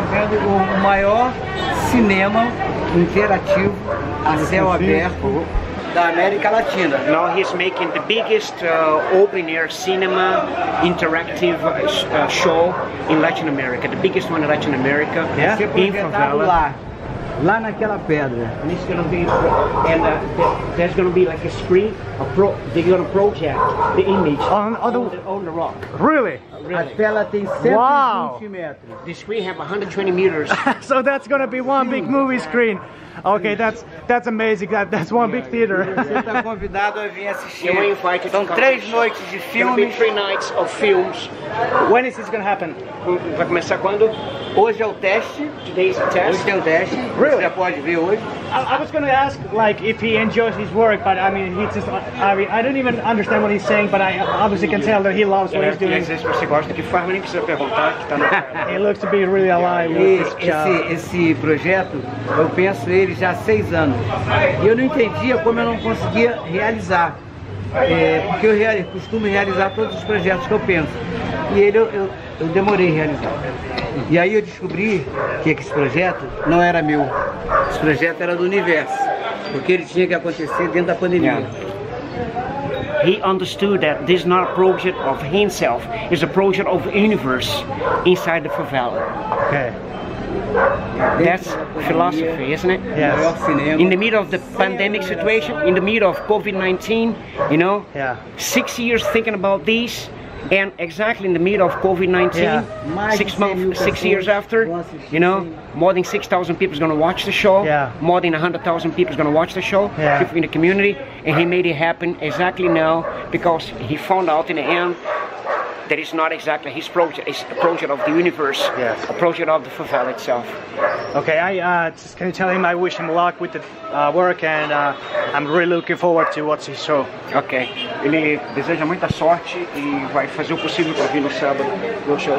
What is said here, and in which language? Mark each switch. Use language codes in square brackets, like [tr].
[pt] O maior cinema interativo a céu aberto da América Latina. [en] Now he's making the biggest open-air cinema interactive show in Latin America, the biggest one in Latin America. Yeah? In favela. [pt] Lá naquela pedra. [en] And it's gonna be, and there's gonna be like a screen, a pro, they're gonna project the image on the rock. Really? Really. [pt] A tela tem 120 metros. [en] The screen have 120 meters. So that's gonna be one big movie screen. Okay, that's amazing. That's one big theater. [pt] Você está convidado a vir assistir. [en] You're invited. [pt] São três noites de filme. [en] Three nights of films. When is this gonna happen? [pt] Vai começar quando? Hoje é o teste. Today's the test. Hoje tem o teste. [en] Really? [pt] Você já pode ver hoje. [en] I was gonna ask like if he enjoys his work, but I mean he just I don't even understand what he's saying, but I obviously can tell that he loves what he's doing. [pt] Às vezes você gosta do que faz, mas nem precisa perguntar. [en] He looks to be really alive. [pt] Esse projeto, eu penso ele já há 6 anos. E eu não entendia como eu não conseguia realizar, porque eu costumo realizar todos os projetos que eu penso. E ele eu demorei a realizar. E aí eu descobri que esse projeto não era meu. Esse projeto era do universo, porque ele tinha que acontecer dentro da pandemia. [en] He understood that this is not a project of himself, it's a project of the universe inside the favela. Okay. That's philosophy, isn't it? Yes. In the middle of the pandemic situation, in the middle of COVID-19, you know? Yeah. 6 years thinking about this. And exactly in the middle of COVID-19, yeah. 6 years after, you know, more than 6,000 people is going to watch the show. Yeah. More than 100,000 people is going to watch the show. Yeah. People in the community. And he made it happen exactly now because he found out in the end that it's not exactly his project. It's a project of the universe. Yes. A project of the favela itself. Okay, I just can tell him I wish him luck with the work, and I'm really looking forward to watch his show. Okay. [pt] Ele deseja muita sorte e vai fazer o possível para vir no sábado no show.